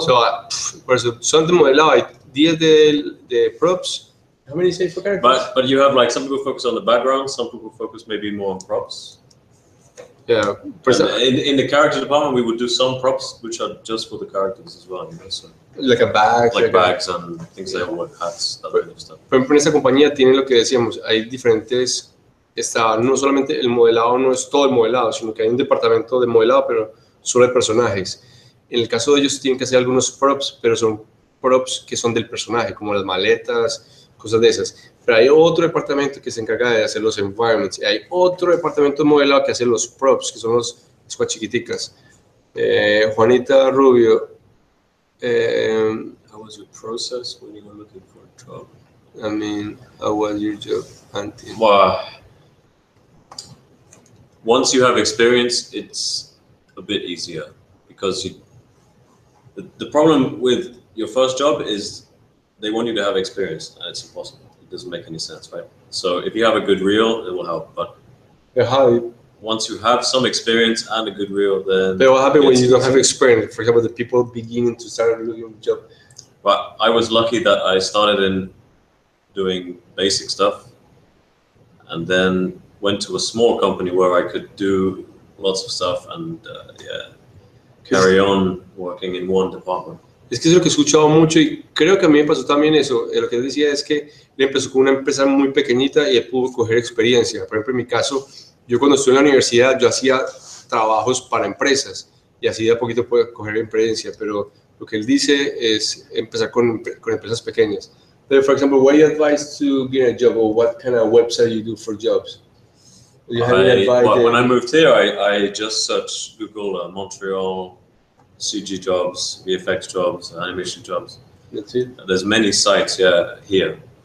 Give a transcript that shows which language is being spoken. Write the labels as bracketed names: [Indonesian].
[English] So, something more like 10 the props. How many say for characters? But you have like some people focus on the background, some people focus maybe more on props. Yeah, in the character department, we would do some props which are just for the characters as well. You know, so. Like a bag. Like bags and things like what, hats, that kind of stuff. [Spanish] Por ejemplo, en esta compañía tiene lo que decíamos, hay diferentes, está no solamente el modelado, no es todo el modelado, sino que hay un departamento de modelado, pero solo de personajes. En el caso de ellos tienen que hacer algunos props, pero son props que son del personaje, como las maletas, cosas de esas. Pero hay otro departamento que se encarga de hacer los environments, y hay otro departamento de modelado que hace los props, que son los squad chiquiticas. Juanita Rubio, [English] how was your process when you were looking for a job? I mean, how was your job hunting? Well, once you have experience, it's a bit easier because the problem with your first job is they want you to have experience and it's impossible. It doesn't make any sense, right? So if you have a good reel, it will help. But once you have some experience and a good reel, then. But what happens when you don't have experience? For example, the people beginning to start looking for a job. But I was lucky that I started in doing basic stuff and then went to a small company where I could do lots of stuff and carry on working in one department. [Spanish] Es que es lo que he escuchado mucho y creo que a mí me pasó también eso. Lo que decía es que le empezó con una empresa muy pequeñita y pudo coger experiencia. Por ejemplo, en mi caso, yo cuando estuve en la universidad, yo hacía trabajos para empresas y así de a poquito puedo coger experiencia. Pero lo que él dice es empezar con empresas pequeñas. Pero, [English] for example, what do you advise to get a job or what kind of website you do for jobs? When I moved here, I just searched Google Montreal CG jobs, VFX jobs, animation jobs. That's it. There's many sites here.